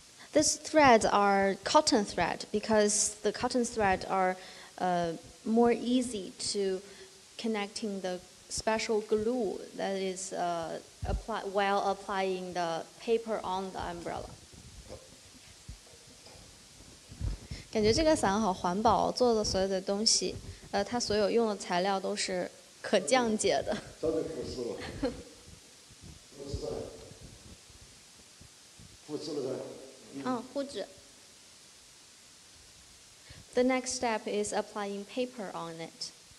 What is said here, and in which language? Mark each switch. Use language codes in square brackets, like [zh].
[en] These threads are cotton thread because the cotton thread are more easy to connecting the special glue that is applied while applying the paper on the umbrella. [zh] 感觉这个伞好环保，做的所有的东西，它所有用的材料都是可降解的。啥子复式了？复式了？复式了噻。哦，糊纸。 [en] The next step is applying paper on it.